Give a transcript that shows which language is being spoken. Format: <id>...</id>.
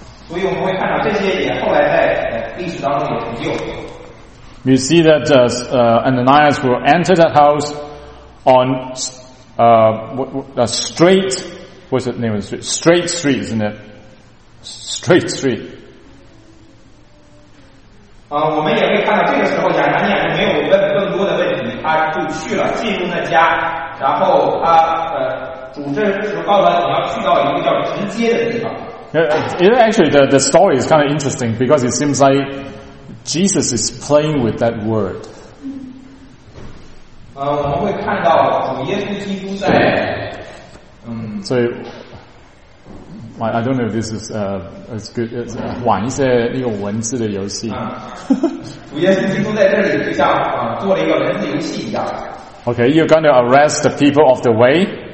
<en>You see that Ananias will enter that house on Straight Street, isn't it? Straight Street.</en> <zh>我们也会看到这个时候亚拿尼亚没有问更多的问题，他就去了进入那家，然后他主这时告诉他你要去到一个叫直接的地方。</zh> <en>It actually the story is kind of interesting because it seems like Jesus is playing with that word.</en> <zh>我们会看到主耶稣基督在。所以</zh> <en>I don't know if this is as good as</en> <zh>玩一些那个文字的游戏。主耶稣基督在这里就像做了一个文字游戏一样。</zh> <en>Okay, you're going to arrest the people of the way.</en>